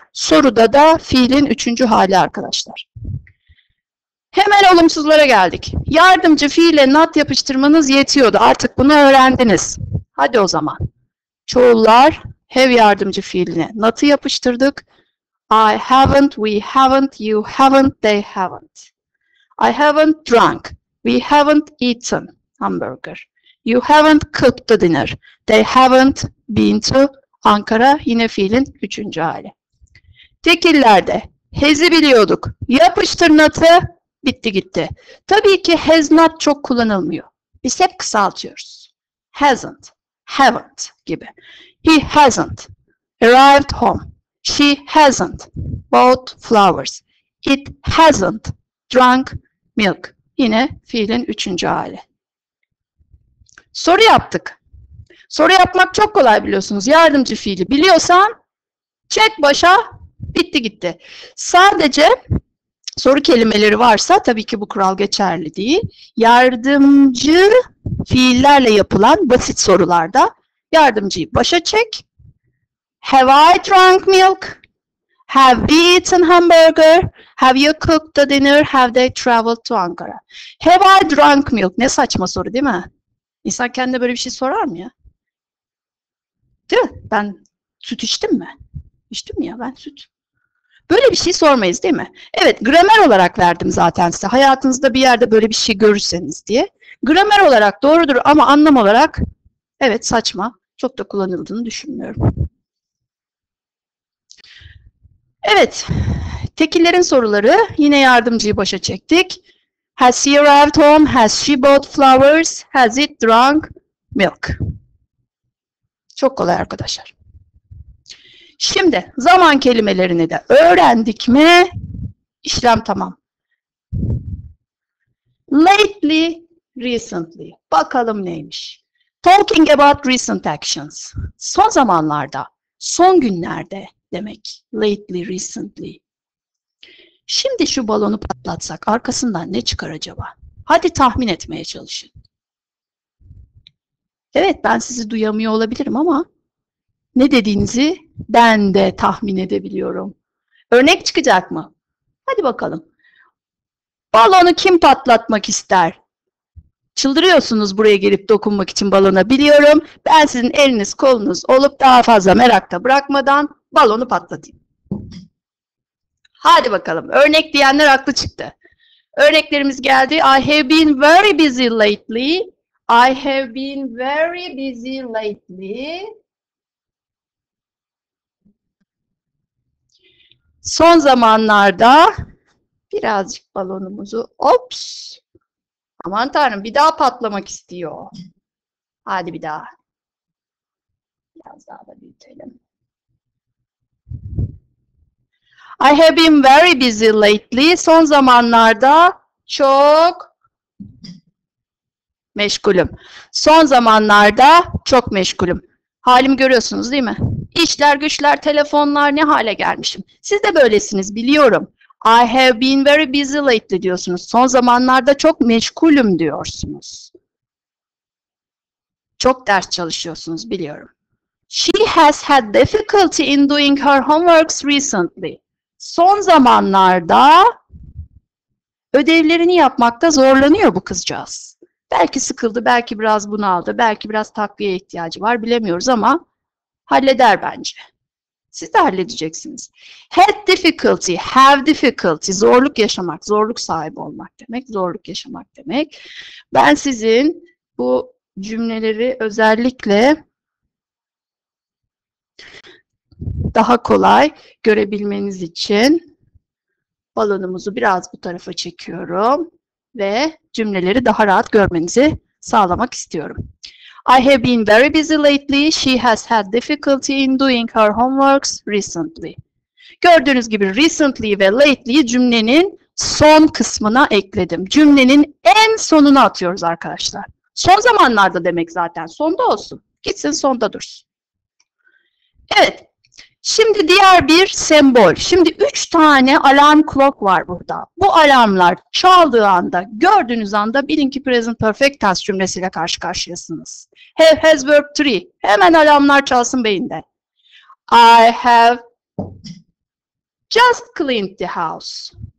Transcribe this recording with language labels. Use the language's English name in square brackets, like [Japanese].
[Turkish] Soruda da fiilin üçüncü hali arkadaşlar. Hemen olumsuzlara geldik. Yardımcı fiile not yapıştırmanız yetiyordu. Artık bunu öğrendiniz. Hadi o zaman. Çoğullar have yardımcı fiiline not'ı yapıştırdık. [English] I haven't, we haven't, you haven't, they haven't. I haven't drunk, we haven't eaten hamburger. You haven't cooked the dinner. They haven't been to Ankara. [Turkish] Yine fiilin üçüncü hali. Tekillerde has'i biliyorduk. Yapıştır not'ı. Bitti gitti. Tabii ki has not çok kullanılmıyor. Biz hep kısaltıyoruz. Hasn't, haven't gibi. [English] He hasn't arrived home. She hasn't bought flowers. It hasn't drunk milk. [Turkish] Yine fiilin üçüncü hali. Soru yaptık. Soru yapmak çok kolay biliyorsunuz. Yardımcı fiili biliyorsan çek başa, bitti gitti. Sadece soru kelimeleri varsa tabii ki bu kural geçerli değil. Yardımcı fiillerle yapılan basit sorularda yardımcıyı başa çek. [English] Have I drunk milk? Have we eaten hamburger? Have you cooked the dinner? Have they traveled to Ankara? Have I drunk milk? [Turkish] Ne saçma soru değil mi? İnsan kendine böyle bir şey sorar mı ya? Değil mi? Ben süt içtim mi? İçtim ya ben süt. Böyle bir şey sormayız değil mi? Evet, gramer olarak verdim zaten size. Hayatınızda bir yerde böyle bir şey görürseniz diye. Gramer olarak doğrudur ama anlam olarak evet saçma. Çok da kullanıldığını düşünmüyorum. Evet, tekillerin soruları. Yine yardımcıyı başa çektik. Has he arrived home? Has she bought flowers? Has it drunk milk? Çok kolay arkadaşlar. Şimdi zaman kelimelerini de öğrendik mi? İşlem tamam. Lately, recently. Bakalım neymiş? [English] Talking about recent actions. [Turkish] Son zamanlarda, son günlerde demek. Lately, recently. Şimdi şu balonu patlatsak arkasından ne çıkar acaba? Hadi tahmin etmeye çalışın. Evet, ben sizi duyamıyor olabilirim ama ne dediğinizi ben de tahmin edebiliyorum. Örnek çıkacak mı? Hadi bakalım. Balonu kim patlatmak ister? Çıldırıyorsunuz buraya gelip dokunmak için balona. Biliyorum. Ben sizin eliniz kolunuz olup daha fazla merakta bırakmadan balonu patlatayım. Hadi bakalım. Örnek diyenler haklı çıktı. Örneklerimiz geldi. [English] I have been very busy lately. I have been very busy lately. [Turkish] Son zamanlarda birazcık balonumuzu, ops. Aman Tanrım, bir daha patlamak istiyor. Hadi bir daha. Biraz daha da büyütelim. [English] Been very busy lately. [Turkish] Son zamanlarda çok meşgulüm. Son zamanlarda çok meşgulüm. Halimi görüyorsunuz değil mi? İşler, güçler, telefonlar ne hale gelmişim. Siz de böylesiniz biliyorum. [English] I have been very busy lately [Turkish] diyorsunuz. Son zamanlarda çok meşgulüm diyorsunuz. Çok ders çalışıyorsunuz biliyorum. [English] She has had difficulty in doing her homeworks recently. [Turkish] Son zamanlarda ödevlerini yapmakta zorlanıyor bu kızcağız. Belki sıkıldı, belki biraz bunaldı, belki biraz takviye ihtiyacı var, bilemiyoruz ama halleder bence. Siz de halledeceksiniz. Had difficulty, have difficulty, zorluk yaşamak, zorluk sahibi olmak demek, zorluk yaşamak demek. Ben sizin bu cümleleri özellikle daha kolay görebilmeniz için balonumuzu biraz bu tarafa çekiyorum ve cümleleri daha rahat görmenizi sağlamak istiyorum. [English] I have been very busy lately. She has had difficulty in doing her homeworks recently. [Turkish] Gördüğünüz gibi recently ve lately'yi cümlenin son kısmına ekledim. Cümlenin en sonuna atıyoruz arkadaşlar. Son zamanlarda demek zaten. Sonda olsun. Gitsin sonda dursun. Evet. Şimdi diğer bir sembol. Şimdi üç tane alarm clock var burada. Bu alarmlar çaldığı anda, gördüğünüz anda bilin ki present perfect tense cümlesiyle karşı karşıyasınız. [English] Have has verb 3. [Turkish] Hemen alarmlar çalsın beyinde. [English] I have just cleaned the house.